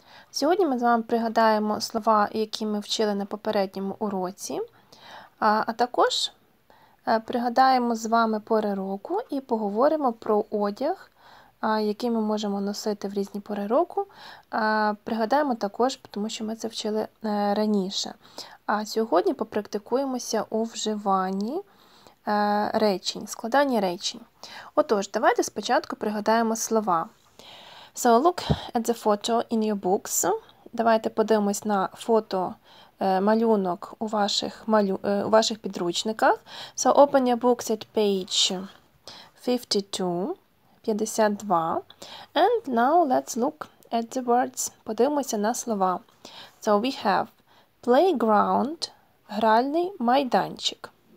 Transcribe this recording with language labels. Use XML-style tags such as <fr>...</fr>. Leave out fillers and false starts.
<uk>Сьогодні ми з вами пригадаємо слова, які ми вчили на попередньому уроці, а також пригадаємо з вами пори року і поговоримо про одяг, який ми можемо носити в різні пори року. Пригадаємо також, тому що ми це вчили раніше. А сьогодні попрактикуємося у вживанні речень, складання речень. Отож, давайте спочатку пригадаємо слова.</uk> <en>So, look at the photo in your books.</en> <uk>Давайте подивимось на фото, малюнок у ваших підручниках.</uk> <en>So, open your books at page 52. And now let's look at the words.</en> <uk>Подивимося на слова.</uk> <en>So, we have playground,</en> <uk>гральний майданчик.</uk>